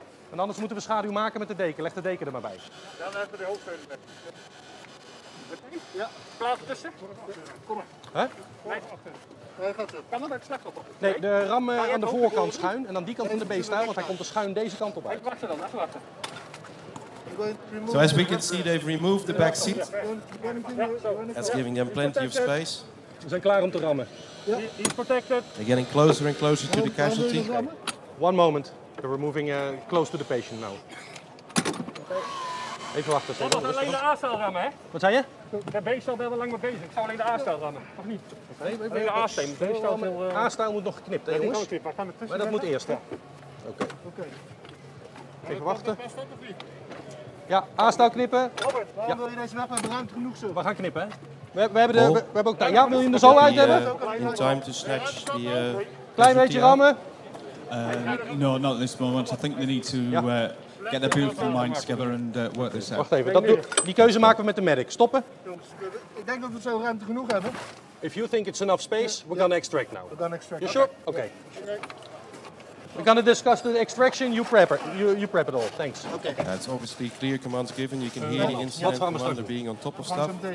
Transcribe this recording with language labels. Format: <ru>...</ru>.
<nl>En anders moeten we schaduw maken met de deken. Leg de deken er maar bij. Ja, dan hebben we de hoofdsteun erbij. Ja. Plaat tussen. Kom maar. Hè? Kan dat slecht op? Nee, de ram aan de voorkant schuin en aan die kant van de B-stijl, want hij komt de schuin deze kant op uit. Wacht er dan, echt wachten.</nl> <en>So as we can see, they've removed the back seat. That's giving them plenty of space.</en> <nl>We zijn klaar om te rammen.</nl> <en>He's protected. They're getting closer and closer to the casualty. One moment. They're removing close to the patient now.</en> <nl>Even wachten. Ik zal alleen de A-stijl rammen, hè? Wat zei je? De B-stijl ben wel lang mee bezig. Ik zou alleen de A-stijl rammen. Of niet? Alleen de A-stijl. A-stijl moet nog geknipt, hè, jongens? Maar dat moet eerst, hè? Oké. Even wachten. Ja, A-stijl knippen. Robert, waarom wil je deze weg hebben? Ruimte genoeg zo. We gaan knippen, hè? We hebben ook tijd. Ja, wil je hem er zo uit hebben?</nl> <en>In time to snatch the...</en> <nl>Klein beetje rammen.</nl> <en>No, not at this moment. I think they need to get their beautiful minds together and work this out.</en> <nl>Wacht even, die keuze maken we met de medic. Stoppen. Ik denk dat we zo ruimte genoeg hebben.</nl> <en>If you think it's enough space, we're gonna extract now. We're gonna extract. You sure? Okay. We're going to discuss the extraction, you prep it all, thanks. Okay. That's obviously clear commands given, you can hear the incident commander being on top of stuff.</en>